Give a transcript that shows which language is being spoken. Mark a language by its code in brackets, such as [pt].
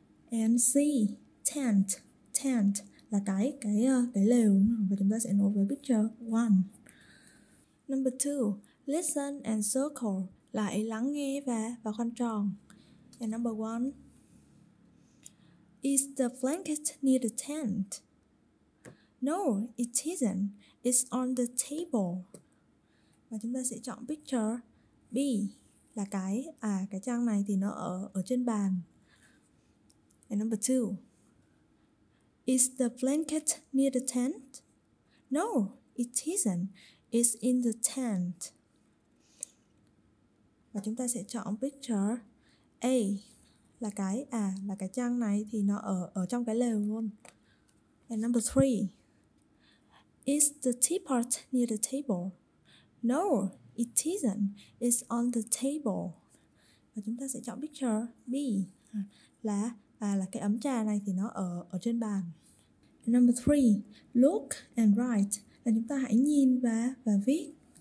[en] And C, tent [vi] là cái lều, [en] và chúng ta sẽ nối với picture 1. Number 2, listen and circle [vi] là hãy lắng nghe và khoanh tròn. [en] And number 1, is the blanket near the tent? No, it isn't. It's on the table. [vi] Và chúng ta sẽ chọn [en] picture B [vi] là cái trang này thì nó ở trên bàn. [en] And number 2. Is the blanket near the tent? No, it isn't. It's in the tent. [vi] Và chúng ta sẽ chọn [en] picture A [vi] là cái trang này thì nó ở trong cái lều luôn. [en] And number 3. Is the teapot near the table? No, it isn't. It's on the table. [vi] Và chúng ta sẽ chọn picture B là cái ấm trà này thì nó ở trên bàn. [en] Number 3, look and write, [vi] là chúng ta hãy nhìn và viết.